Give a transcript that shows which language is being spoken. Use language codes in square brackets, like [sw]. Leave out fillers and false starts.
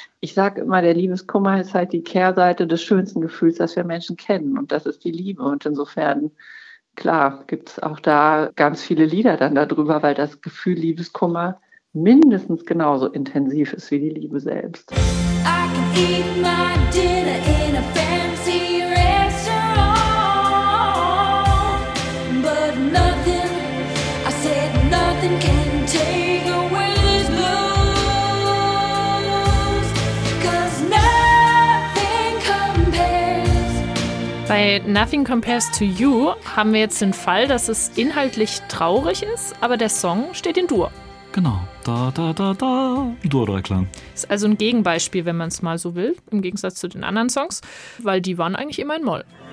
[de] Ich sage immer, der Liebeskummer ist halt die Kehrseite des schönsten Gefühls, das wir Menschen kennen. Und das ist die Liebe. Und insofern, klar, gibt es auch da ganz viele Lieder dann darüber, weil das Gefühl Liebeskummer mindestens genauso intensiv ist wie die Liebe selbst. [en] I can eat my dinner in a fancy restaurant, but nothing, I said nothing can take away this blues, 'cause nothing compares. [de] Bei Nothing Compares to You haben wir jetzt den Fall, dass es inhaltlich traurig ist, aber der Song steht in Dur. Genau. Da, Dur-Dreiklang. Ist also ein Gegenbeispiel, wenn man es mal so will, im Gegensatz zu den anderen Songs, weil die waren eigentlich immer in Moll.